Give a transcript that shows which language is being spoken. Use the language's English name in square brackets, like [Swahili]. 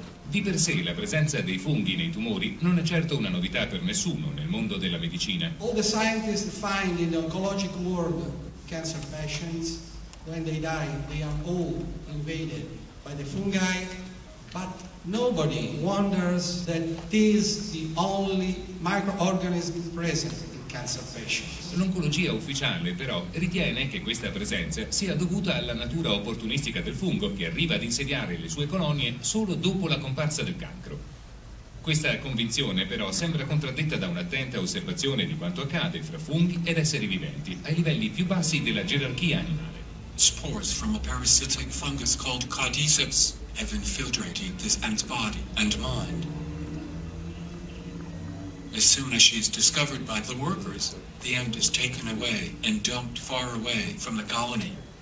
[Italian] Di per sé, la presenza dei funghi nei tumori non è certo una novità per nessuno nel mondo della medicina. [English] All the scientists find in the oncologic world cancer patients, when they die, they are all invaded by the fungi, but nobody wonders that this is the only microorganism present in cancer patients. [Italian] L'oncologia ufficiale, però, ritiene che questa presenza sia dovuta alla natura opportunistica del fungo che arriva ad insediare le sue colonie solo dopo la comparsa del cancro. Questa convinzione, però, sembra contraddetta da un'attenta osservazione di quanto accade fra funghi ed esseri viventi ai livelli più bassi della gerarchia animale. [English] Spores from a parasitic fungus called Cordyceps have infiltrated this ant's body and mind. As soon as she is discovered by the workers, the ant is taken away and dumped far away from the colony.